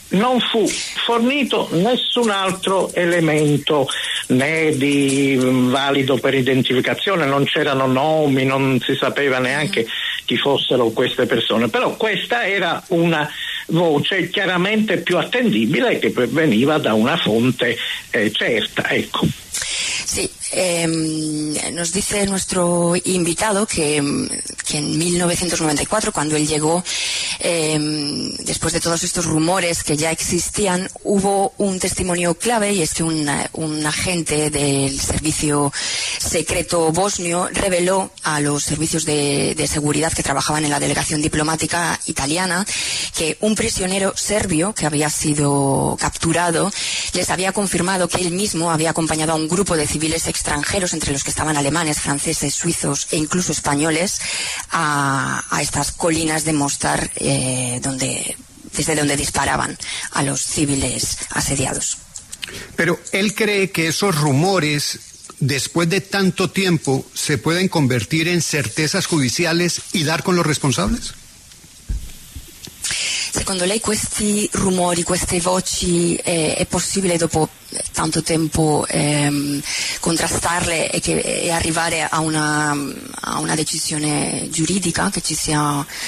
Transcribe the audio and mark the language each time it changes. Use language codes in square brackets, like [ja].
[it] Non fu fornito nessun altro elemento né di valido per identificazione, non c'erano nomi, non si sapeva neanche chi fossero queste persone, però questa era una voce chiaramente più attendibile che veniva da una fonte certa, ecco. [es] Sí, nos dice nuestro invitado que en 1994, cuando él llegó, después de todos estos rumores que ya existían, hubo un testimonio clave, y es que un agente del servicio secreto bosnio reveló a los servicios de seguridad que trabajaban en la delegación diplomática italiana que un prisionero serbio que había sido capturado les había confirmado que él mismo había acompañado a un grupo de civiles extranjeros, entre los que estaban alemanes, franceses, suizos e incluso españoles, a estas colinas de Mostar, desde donde disparaban a los civiles asediados. Pero él cree que esos rumores, después de tanto tiempo, se pueden convertir en certezas judiciales y dar con los responsables. [it] Secondo lei questi rumori, queste voci, è possibile dopo tanto tempo contrastarle e arrivare a una decisione giuridica, che ci sia?